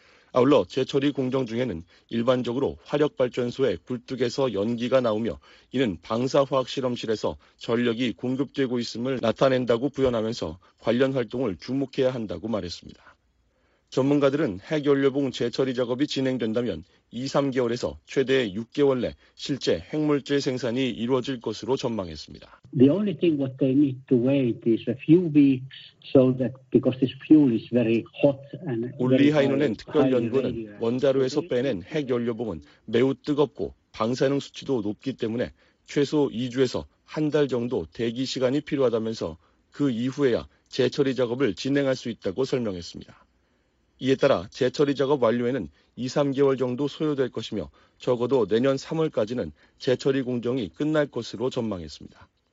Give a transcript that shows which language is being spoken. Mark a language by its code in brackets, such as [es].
[ko] 아울러 재처리 공정 중에는 일반적으로 화력발전소의 굴뚝에서 연기가 나오며 이는 방사화학 실험실에서 전력이 공급되고 있음을 나타낸다고 부연하면서 관련 활동을 주목해야 한다고 말했습니다. 전문가들은 핵연료봉 재처리 작업이 진행된다면 2, 3개월에서 최대 6개월 내 실제 핵물질 생산이 이루어질 것으로 전망했습니다. [en] The only thing what they need to wait is a few weeks so that because this fuel is very hot and very high. [ko] 올리하이노넨 특별연구원은 원자로에서 빼낸 핵연료봉은 매우 뜨겁고 방사능 수치도 높기 때문에 최소 2주에서 한 달 정도 대기 시간이 필요하다면서 그 이후에야 재처리 작업을 진행할 수 있다고 설명했습니다. 이에 따라 재처리 작업 완료에는 2, 3개월 정도 소요될 것이며 적어도 내년 3월까지는 재처리 공정이 끝날 것으로 전망했습니다.